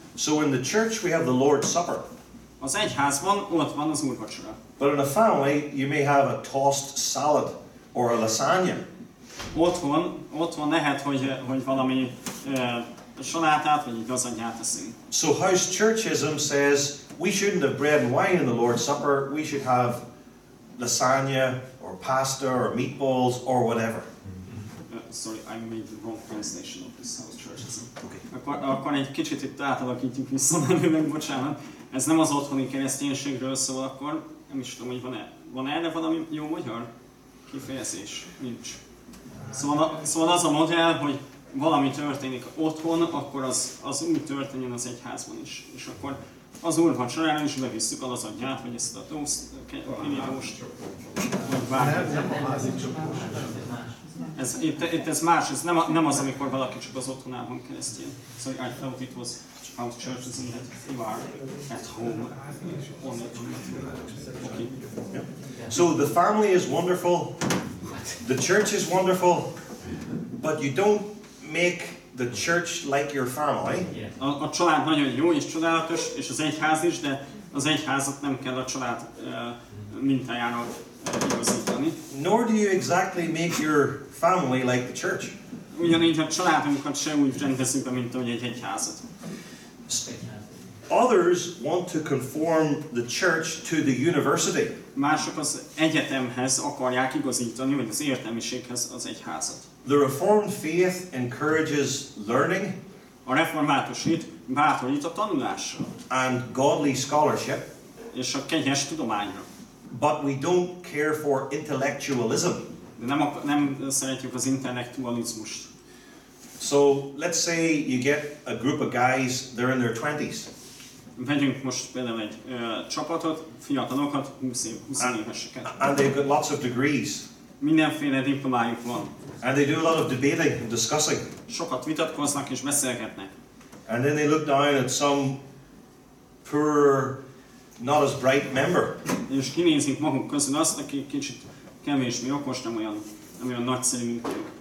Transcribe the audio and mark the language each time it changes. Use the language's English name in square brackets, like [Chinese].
[English] So in the church we have the Lord's Supper. [Hungarian] Az egyházban ott van az úrvacsora. [English] But in a family, you may have a tossed salad or a lasagna. [Hungarian] Otthon lehet, hogy valami salátát vagy egy lasagnát eszünk. [English] So house churchism says we shouldn't have bread and wine in the Lord's Supper. We should have lasagna or pasta or meatballs or whatever. Sorry, I made the wrong translation of this house churchism. Okay. [Hungarian] Akkor egy kicsit itt átalakítjuk vissza, meg bocsánat. Ez nem az otthoni kereszténységről szól, akkor nem is tudom, hogy van erre valami jó magyar kifejezés? Nincs. Szóval az a modell, hogy valami történik otthon, akkor az úgy történjen az egyházban is. És akkor az úrvacsorára is bevisszük a lazagját, vagy ezt a toast, kenyérost, vagy bármit. Ez nem az, amikor valaki csak az otthonában keresztjén. [English] Sorry, I thought it was house churches in that you are at home on the okay. So the family is wonderful, the church is wonderful, but you don't make the church like your family. [Hungarian] A család nagyon jó és csodálatos, és az egyház is, de az egyházat nem kell a család mintájának. [English] Nor do you exactly make your family like the church. [Hungarian] Ugyanígy a családunkat sem úgy rendezzük be, mint ahogy egy egyházat. [English] Others want to conform the church to the university. [Hungarian] Mások az egyetemhez akarják igazítani, vagy az értelmiséghez az egyházat. [English] The reformed faith encourages learning. [Hungarian] A református hit bátorít a tanulásra. [English] And godly scholarship. [Hungarian] És a kegyes tudományra. [English] But we don't care for intellectualism. [Hungarian] Nem szeretjük az intellektualizmust. [English] So let's say you get a group of guys, they're in their 20s. [Hungarian] Vegyünk most például egy csapatot, fiatalokat, 20 éveseket. [English] And they've got lots of degrees. [Hungarian] Mindenféle diplomájuk van. [English] And they do a lot of debating and discussing. [Hungarian] Sokat vitatkoznak és beszélgetnek. [English] And then they look down at some poor, not as bright member. [Hungarian] És kinézik magunk közül azt, aki kicsit kevésbé okos, nem olyan nagyszerű, mint ők.